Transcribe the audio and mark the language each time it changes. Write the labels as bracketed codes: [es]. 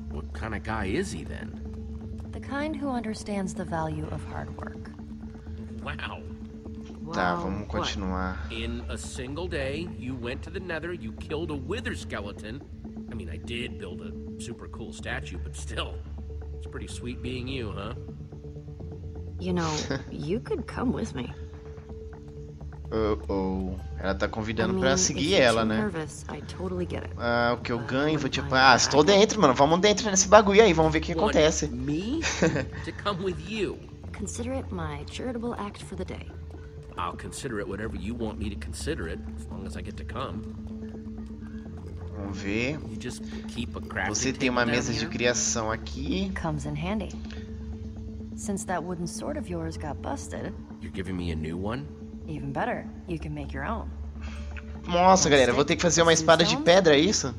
[en] What kind of guy is he then? The kind who understands the value of hard work. Wow. [pt] Tá, vamos continuar. [en] In a single day, you went to the Nether, you killed a wither skeleton. I mean, I did build a super cool statue, but still, it's pretty sweet being you, huh? You know, you could come with me. [pt] Oh, ela tá convidando pra seguir ela, né? Ah, o que eu ganho, vou tipo, estou dentro, mano. Vamos dentro nesse bagulho aí, vamos ver o que acontece. [en] Me? To come with you. Consider it my charitable act for the day. I'll consider it whatever you want me to consider it, as long as I get to come. [pt] Vamos ver. Você tem uma mesa de criação aqui. [en] Comes in handy. Since that wooden sword of yours got busted. You're giving me a new one? Even better, you can make your own. [pt] Nossa, galera, vou ter que fazer uma espada de pedra, é isso?